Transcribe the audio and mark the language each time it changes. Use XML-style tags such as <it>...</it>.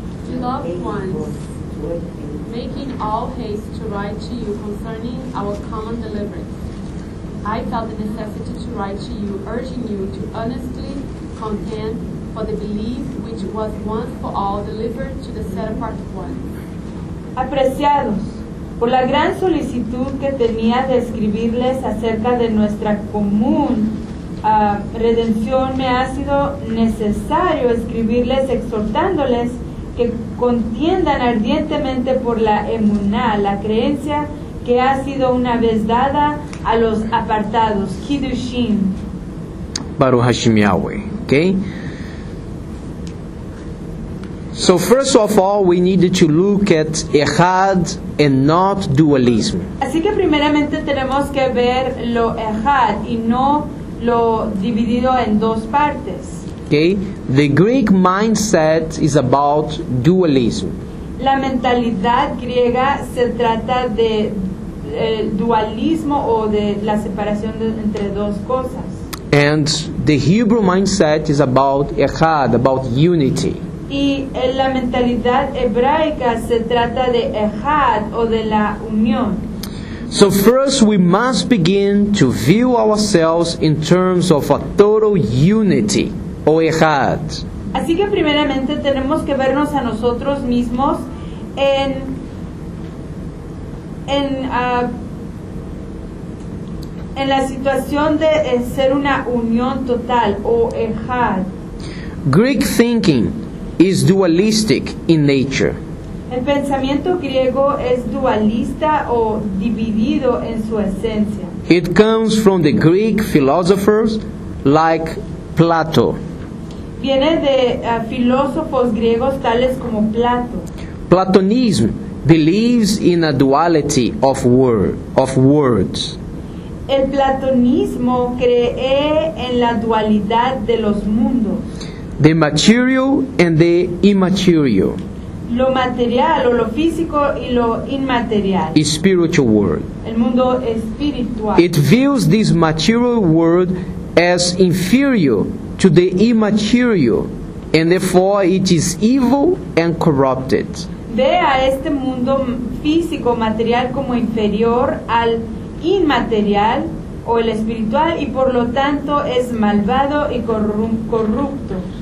<en>Beloved ones, making all haste to write to you concerning our common deliverance, I felt the necessity to write to you, urging you to honestly contend for the belief which was once for all delivered to the set apart ones.</en> <es>Apreciados, por la gran solicitud que tenía de escribirles acerca de nuestra común redención, me ha sido necesario escribirles exhortándoles que contiendan ardientemente por la emuná, la creencia que ha sido una vez dada a los apartados, Kiddushin.</es> <he>Baruch Hashem Yahweh.</he> <en>Okay. So first of all, we need to look at Echad and not dualism.</en> <es>Así que primeramente tenemos que ver lo Echad y no lo dividido en dos partes.</es> <en>Okay, the Greek mindset is about dualism.</en> <es>La mentalidad griega se trata de dualismo o de la separación entre dos cosas.</es> <en>And the Hebrew mindset is about Echad, about unity.</en> <es>Y la mentalidad hebraica se trata de Echad o de la unión.</es> <en>So first we must begin to view ourselves in terms of a total unity o Echad.</en> <es>Así que primeramente tenemos que vernos a nosotros mismos en la situación de ser una unión total o Echad.</es> <en>Greek thinking is dualistic in nature.</en> <es>El pensamiento griego es dualista o dividido en su esencia.</es> <en>It comes from the Greek philosophers like Plato.</en> <es>Viene de filósofos griegos tales como Plato.</es> <en>Platonism believes in a duality of words.</en> <es>El platonismo cree en la dualidad de los mundos.</es> <en>The material and the immaterial.</en> <es>Lo material o lo físico y lo inmaterial.</es> <en>The spiritual world.</en> <es>El mundo espiritual.</es> <en>It views this material world as inferior to the immaterial, and therefore it is evil and corrupted.</en> <es>Ve a este mundo físico material como inferior al inmaterial o el espiritual, y por lo tanto es malvado y corrupto.</es>